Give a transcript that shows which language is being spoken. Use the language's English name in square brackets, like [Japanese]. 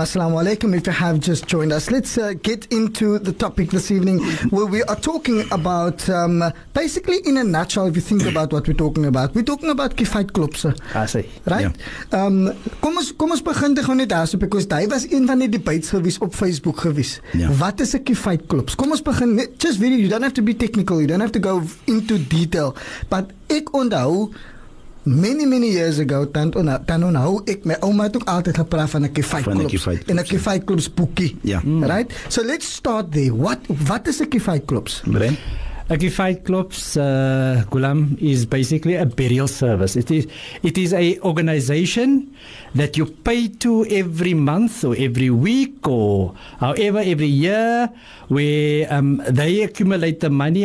[English] Assalamu alaikum, if you have just joined us. Let's get into the topic this evening, where we are talking about, basically in a nutshell, if you think about what we're talking about. We're talking about kifait klopse. I see. [Afrikaans] Right? Kom ons begin te gaan net daar, [English] so, because [Afrikaans] die was een van die debates gewees op Facebook gewees. Yeah. Wat is a kifait klops? Kom ons begin, [English] just video, you don't have to be technical, you don't have to go into detail. [Afrikaans] But ek onthou, [English] many, many years ago, [Afrikaans] Tanona, hoe ek my ouma het ook altijd gepraat van een kifaitklops. En een kifaitklops boekie. Ja. [English] Right? So let's start there. What is a kifaitklops? Bren? A kifaitklops, Gulam, is basically a burial service. It is a organization that you pay to every month or every week or however every year where they accumulate the money.